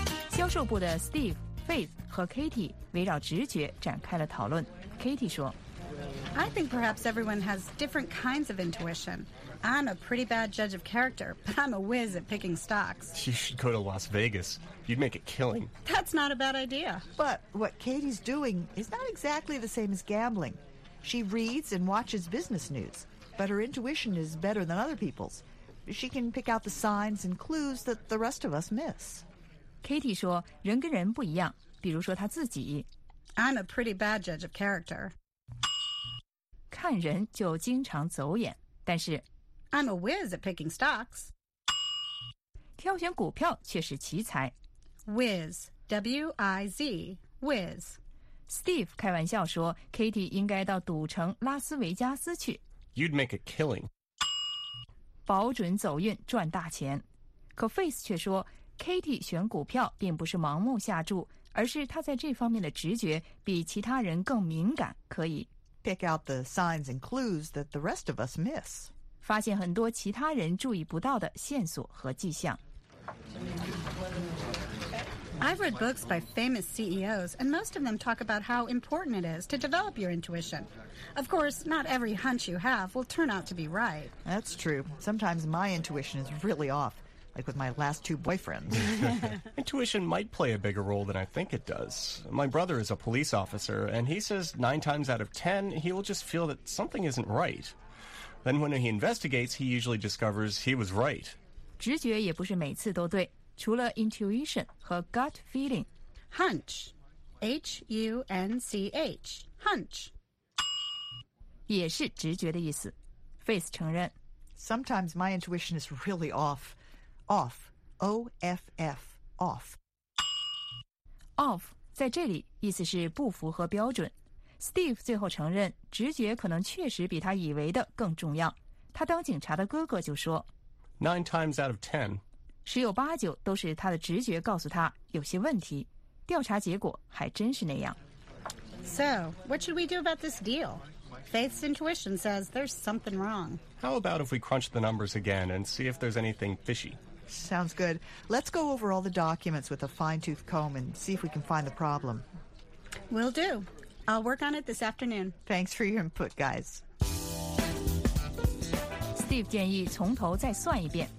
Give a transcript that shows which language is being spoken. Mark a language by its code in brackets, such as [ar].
[zh] 销售部的 Steve, Faith 和 Katie 围绕直觉展开了讨论。 Katie 说 [en] I think perhaps everyone has different kinds of intuition. I'm a pretty bad judge of character, but I'm a whiz at picking stocks. You should go to Las Vegas. You'd make a killing. That's not a bad idea. But what Katie's doing is not exactly the same as gambling. She reads and watches business news, but her intuition is better than other people's. She can pick out the signs and clues that the rest of us miss. [zh] Katie 说人跟人不一样，比如说她自己。 [en] I'm a pretty bad judge of character. [zh] 看人就经常走眼，但是 [en] I'm a whiz at picking stocks. [zh] 挑选股票却是奇才。 [en] Whiz, W-I-Z, whiz. [zh] Steve 开玩笑说 Katie 应该到赌城拉斯维加斯去。 [en] You'd make a killing. [zh] 保准走运赚大钱。可 Face 却说 Katie 选股票并不是盲目下注，而是她在这方面的直觉比其他人更敏感，可以 [en] Pick out the signs and clues that the rest of us miss. [zh] 发现很多其他人注意不到的线索和迹象。 [en] I've read books by famous CEOs, and most of them talk about how important it is to develop your intuition. Of course, not every hunch you have will turn out to be right. That's true. Sometimes my intuition is really off, like with my last two boyfriends. Intuition might play a bigger role than I think it does. My brother is a police officer, and he says 9 times out of 10, he'll just feel that something isn't right. Then when he investigates, he usually discovers he was right. [zh] 直觉也不是每次都对，除了 intuition 和 gut feeling. [en] Hunch. H-U-N-C-H. Hunch. [zh] 也是直觉的意思。Face 承认。 [en] Sometimes my intuition is really off. Off, O-F-F, off. [zh] Off, 在这里意思是不符合标准。Steve 最后承认直觉可能确实比他以为的更重要。他当警察的哥哥就说 [en] 9 times out of 10. [zh] 十有八九都是他的直觉告诉他有些问题。调查结果还真是那样。 [en] So, what should we do about this deal? Faith's intuition says there's something wrong. How about if we crunch the numbers again and see if there's anything fishy? Sounds good. Let's go over all the documents with a fine-tooth comb and see if we can find the problem. Will do. I'll work on it this afternoon. Thanks for your input, guys. [zh] Steve 建议从头再算一遍。